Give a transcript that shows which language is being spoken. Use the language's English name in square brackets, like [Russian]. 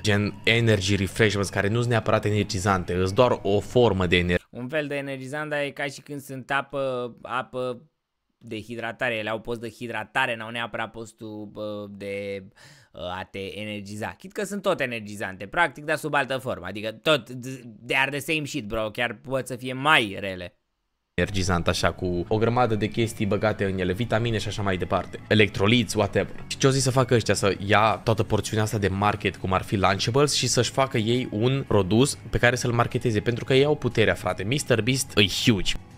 [Romanian] Gen energy refreshments, care nu sunt neapărat energizante, sunt doar o formă de energie. Un fel de energizant, dar e ca și când sunt apă de hidratare. Ele au post de hidratare, n-au neapărat postul de a te energiza. Chit că sunt tot energizante, practic, dar sub altă formă. Adică tot, [English] they are the same shit, bro. [Romanian] Chiar pot să fie mai rele. Energizant așa, cu o grămadă de chestii băgate în ele, vitamine și așa mai departe, electroliți, whatever. Și ce-o zis să facă ăștia? Să ia toată porțiunea asta de market, cum ar fi Lunchables, și să-și facă ei un produs pe care să-l marketeze, pentru că ei au puterea, frate. Mr. Beast e huge.